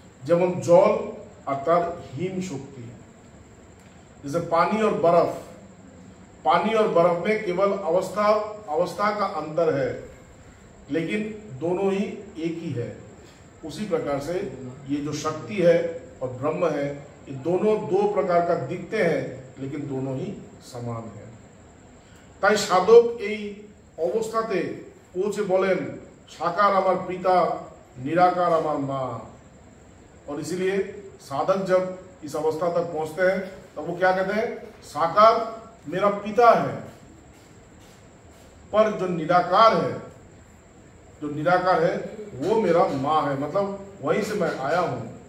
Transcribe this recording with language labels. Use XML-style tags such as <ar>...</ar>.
<hi>जब हम जल अर्थात हिम शक्ति, जैसे पानी और बर्फ में केवल अवस्था का अंतर है, लेकिन दोनों ही एक ही है, उसी प्रकार से ये जो शक्ति है और ब्रह्म है, ये दोनों दो प्रकार का दिखते हैं, लेकिन दोनों ही समान है।</hi> <bn>তাই সাধক এই অবস্থাতে পৌঁছে বলেন সাকার আমার পিতা নিরাকার আমার মা।</bn> <hi>और इसीलिए साधक जब इस अवस्था तक पहुंचते हैं तब वो क्या कहते हैं, साकार मेरा पिता है, पर जो निराकार है, जो निराकार है वो मेरा माँ है, मतलब वहीं से मैं आया हूं।</hi>